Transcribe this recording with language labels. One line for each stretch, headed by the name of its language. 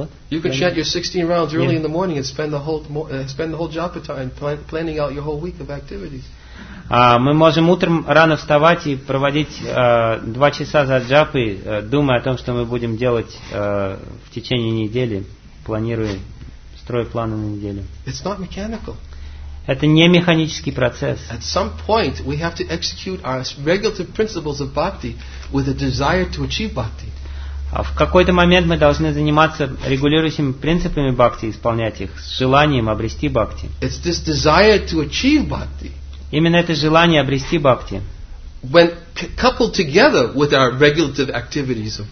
English: You could chant your 16 rounds early in the morning and spend the whole japa time planning out your whole week of activities.
Russian: Мы можем утром рано вставать и проводить 2 часа за джапой, думая о том, что мы будем делать в течение недели, планируя, строя планы на неделю.
English: It's not mechanical.
Russian: Это не механический процесс.
English: At some point we have to execute our regulative principles of bhakti with a desire to achieve bhakti.
Russian: В какой-то момент мы должны заниматься регулирующими принципами бхакти, исполнять их с желанием обрести бхакти.
English: It's this desire to achieve bhakti.
Russian: Именно это желание обрести бхакти.
English: When coupled together with our regulative activities of